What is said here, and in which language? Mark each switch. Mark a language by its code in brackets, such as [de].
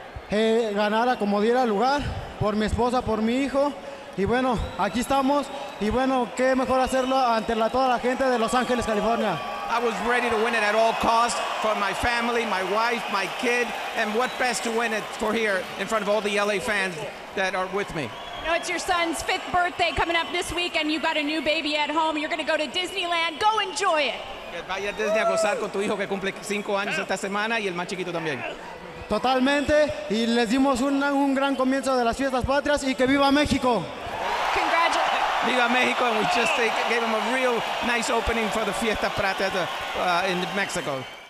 [es] Ganar a como diera lugar, por mi esposa, por mi hijo. Y bueno, aquí estamos. Y bueno, qué mejor hacerlo ante toda la gente de Los Ángeles, California. [en] I was ready to win it at all costs for my family, my wife, my kid. And what best to win it for here in front of all the LA fans that are with me. No, it's your son's 5th birthday coming up this week, and you've got a new baby at home. You're going to go to Disneyland. Go enjoy it. [es] Vaya Disney a gozar con tu hijo que cumple 5 años esta semana y el más chiquito también. Totalmente, y les dimos un gran comienzo de las fiestas patrias y que viva México. Viva México, [en] and we just gave him a real nice opening for the fiesta patria in Mexico.